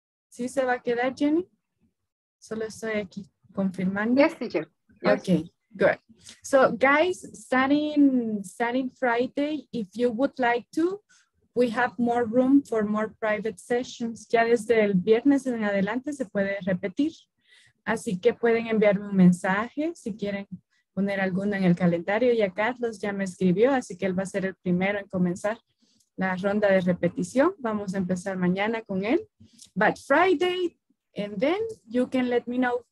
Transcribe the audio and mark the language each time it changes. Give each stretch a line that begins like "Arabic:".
Spanish: ¿Sí se va a quedar, Jenny? Solo estoy aquí confirmando.
English: Yes, teacher. Yes. Okay, good. So, guys, starting Friday, if you would like to, we have more room for more private sessions.
Spanish: Ya desde el viernes en adelante se puede repetir. Así que pueden enviarme un mensaje si quieren poner alguno en el calendario. Ya Carlos ya me escribió, así que él va a ser el primero en comenzar la ronda de repetición. Vamos a empezar mañana con él.
English: But Friday, and then you can let me know.